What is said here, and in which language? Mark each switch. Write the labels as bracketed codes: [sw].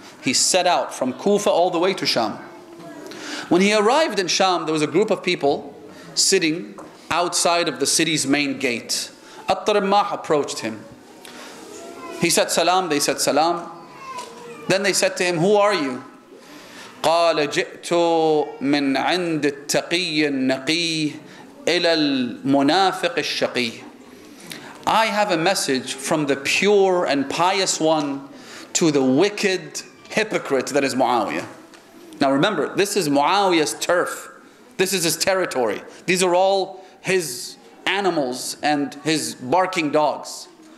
[en] He set out from Kufa all the way to Sham. When he arrived in Sham, there was a group of people sitting outside of the city's main gate. At-Tirmah approached him. He said, Salam. They said, Salam. Then they said to him, who are you? [ar] قال جئت من عند التقي النقي إلى المنافق الشقي. [en] I have a message from the pure and pious one to the wicked hypocrite that is Muawiyah. Now remember, this is Muawiyah's turf. This is his territory. These are all his animals and his barking dogs.